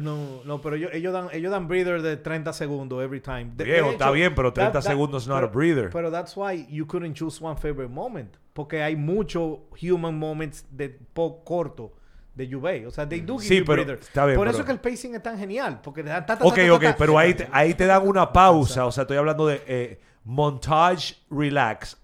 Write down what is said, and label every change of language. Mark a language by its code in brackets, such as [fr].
[es] No, pero ellos dan breather de 30 segundos [en] every time. [es] Viejo, está bien, pero 30 segundos [en] not a breather. [es] Pero [en] that's why you couldn't choose one favorite moment. [es] Porque hay muchos [en] human moments [es] de poco corto de Juve. O sea, [en] they do give you breather. [es] Está bien, por eso es que el pacing es tan genial. Porque pero ahí te dan una pausa. O sea, estoy hablando de montage, relax.